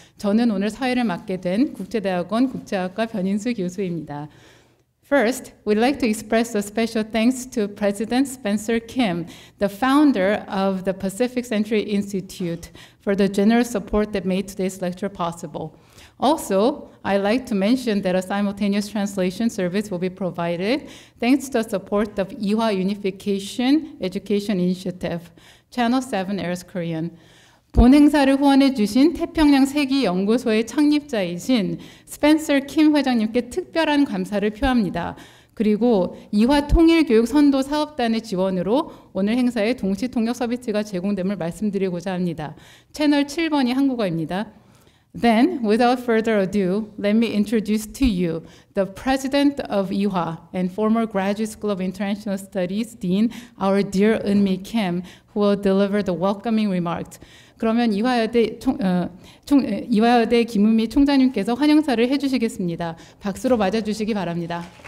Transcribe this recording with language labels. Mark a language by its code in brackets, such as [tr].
[ko] 저는 오늘 사회를 맡게 된 국제대학원 국제학과 변인수 교수입니다. [en] First, we'd like to express a special thanks to President Spencer Kim, the founder of the Pacific Century Institute, for the generous support that made today's lecture possible. Also, I'd like to mention that a simultaneous translation service will be provided thanks to the support of Ewha Unification Education Initiative. Channel 7 Airs Korean. [ko] 본 행사를 후원해 주신 태평양 세기 연구소의 창립자이신 스펜서 킴 회장님께 특별한 감사를 표합니다. 그리고 이화 통일 교육 선도 사업단의 지원으로 오늘 행사에 동시 통역 서비스가 제공됨을 말씀드리고자 합니다. 채널 7번이 한국어입니다. [en] Then, without further ado, let me introduce to you the president of Ewha and former Graduate School of International Studies Dean, our dear Eunmi Kim, who will deliver the welcoming remarks. [ko] 그러면 이화여대 김은미 총장님께서 환영사를 해주시겠습니다. 박수로 맞아주시기 바랍니다.